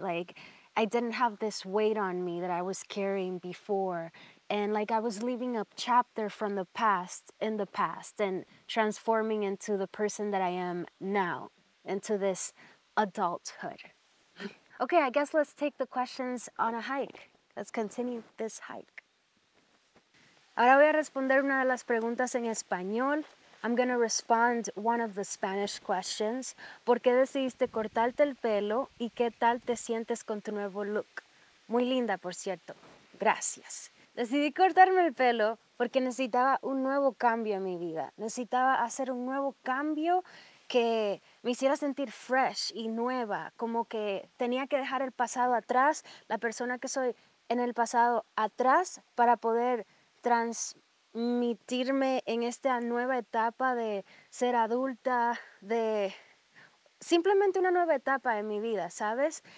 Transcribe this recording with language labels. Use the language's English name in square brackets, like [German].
[English] Like I didn't have this weight on me that I was carrying before. And like I was leaving a chapter from the past in the past and transforming into the person that I am now, into this adulthood. Okay, I guess let's take the questions on a hike. Let's continue this hike. [Spanish] Ahora voy a responder una de las preguntas en español. [English] I'm gonna respond one of the Spanish questions. [Spanish] ¿Por qué decidiste cortarte el pelo y qué tal te sientes con tu nuevo look? Muy linda, por cierto. Gracias. Decidí cortarme el pelo porque necesitaba un nuevo cambio en mi vida. Necesitaba hacer un nuevo cambio que me hiciera sentir fresh y nueva, como que tenía que dejar el pasado atrás, la persona que soy en el pasado atrás, para poder transmitirme en esta nueva etapa de ser adulta, de simplemente una nueva etapa en mi vida, ¿sabes?